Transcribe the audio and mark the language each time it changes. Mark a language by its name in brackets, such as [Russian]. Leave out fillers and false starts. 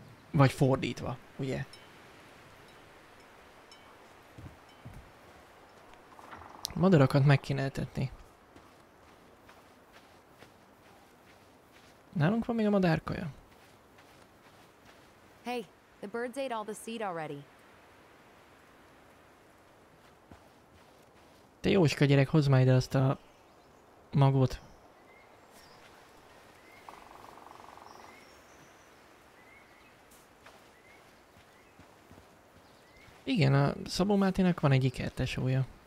[Hungarian] Vagy fordítva, ugye? Madarakat meg kéne etetni. Nálunk van még a madárkaja. [English] Hey, the birds ate all the seed already. [Hungarian] Te jóska gyerek, hozz már ide azt a magot. Igen, a Szabó Mátének van egy ikertesója.